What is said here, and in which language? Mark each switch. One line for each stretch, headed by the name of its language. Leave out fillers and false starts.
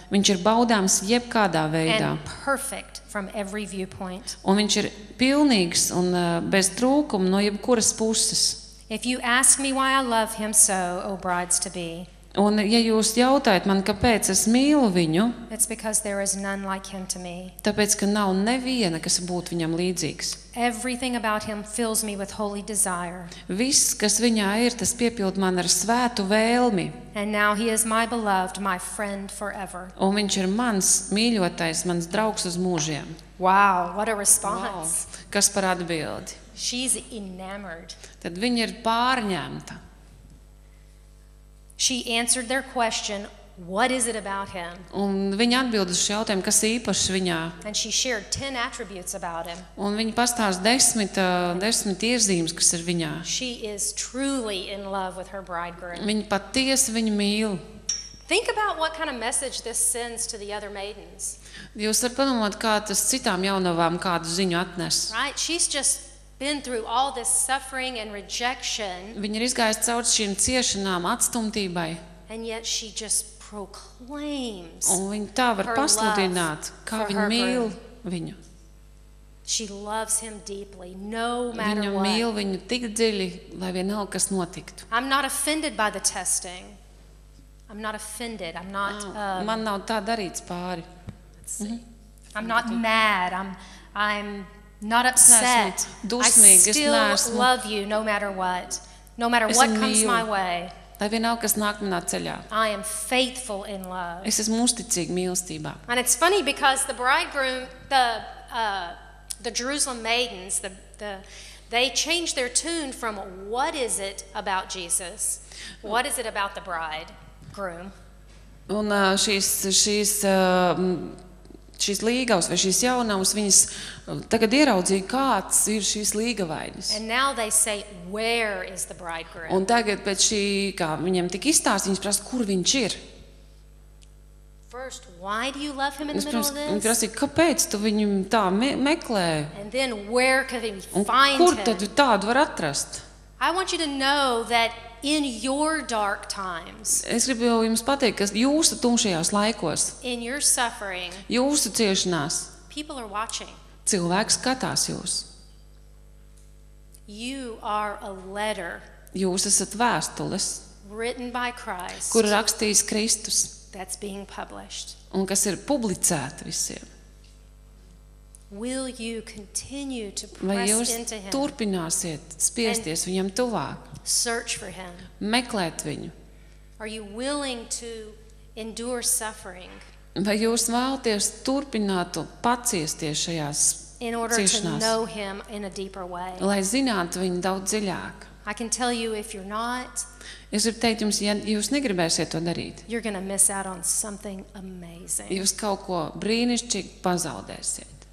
Latvian: Viņš ir baudāms jebkādā veidā.
English: And perfect from every viewpoint.
Latvian: Un viņš ir pilnīgs un bez trūkuma no jebkuras puses.
English: If you ask me why I love him so, O brides to be.
Latvian: Un ja jūs jautājat man, kāpēc es mīlu viņu,
English: it's because there is none like him to me.
Latvian: Tāpēc, ka nav neviena, kas būtu viņam līdzīgs.
English: Everything about him fills me with holy desire.
Latvian: Viss, kas viņā ir, tas piepild man ar svētu vēlmi.
English: And now he is my beloved, my friend forever.
Latvian: Un viņš ir mans mīļotais, mans draugs uz mūžiem.
English: Wow, what a response. Wow.
Latvian: Kas par atbildi?
English: She's enamored.
Latvian: Tad viņa ir pārņemta.
English: She answered their question, what is it about him?
Latvian: Un viņa atbild uz jautājumu, kas īpašs viņā?
English: And she shared 10 attributes about him.
Latvian: Un viņa pastāst 10 iezīmes, kas ir viņā.
English: She is truly in love with her bridegroom.
Latvian: Viņa patiesi viņu mīl.
English: Think about what kind of message this sends to the other maidens.
Latvian: Jūs varat padomāt, kā tas citām jaunavām kādu ziņu atnes. Right?
English: She's just been through all this suffering and rejection.
Latvian: Viņa ir izgājusi cauri šīm ciešanām, atstumtībai.
English: And yet she just proclaims.
Latvian: Un viņa tā var pasludināt, kā viņa mīl viņu.
English: She loves him deeply, no matter
Latvian: viņu
English: what.
Latvian: Viņa mīl viņu tik dziļi, lai vienalga, kas notiktu.
English: I'm not offended by the testing. I'm not offended. I'm not
Latvian: Man nav tā darīts pāri.
English: I'm not mad. I'm not upset.
Latvian: Dusmīgi,
English: I still love you no matter what. No matter
Latvian: es
English: what comes my way.
Latvian: Lai vienalga, kas nāk manā ceļā.
English: I am faithful in love.
Latvian: Es esmu uzticīga mīlestībā.
English: And it's funny because the bridegroom, the Jerusalem maidens, they change their tune from what is it about Jesus? What is it about the bridegroom?
Latvian: Un šīs līgavas vai šīs jaunavas, viņas tagad ieraudzīja, kāds ir šīs līgavainis.
English: And now they say, where is the bridegroom?
Latvian: Un tagad pēc šī, kā viņiem tik izstāst, viņas prasa, kur viņš ir.
English: first, why do you love him in the middle of this?
Latvian: Un prasīt, kāpēc tu viņu tā meklē?
English: And then where could he find
Latvian: kur tad tu tādu var atrast?
English: I want you to know that in your dark times.
Latvian: Es gribu jums pateikt, ka jūsu tumšajās laikos.
English: In your suffering.
Latvian: Jūsu ciešanās.
English: People are watching.
Latvian: Cilvēki skatās jūs.
English: You are a letter.
Latvian: Jūs esat vēstules.
English: Written by Christ.
Latvian: Kur rakstījis Kristus.
English: That's being published.
Latvian: Un kas ir publicēta visiem.
English: Will you continue to press into him?
Latvian: Vai turpināsiet spiesties viņam tuvāk?
English: Search for him.
Latvian: Meklēt viņu.
English: Are you willing to endure suffering?
Latvian: Vai jūs vēlaties turpinātu paciesties šajās ciešanās?
English: In order to know him in a deeper way.
Latvian: Lai zinātu viņu daudz dziļāk.
English: I can tell you if you're not.
Latvian: Es varu teikt jums, ja jūs negribēsiet to darīt.
English: You're going to miss out on something amazing.
Latvian: Jūs kaut ko brīnišķīgu pazaudēsiet.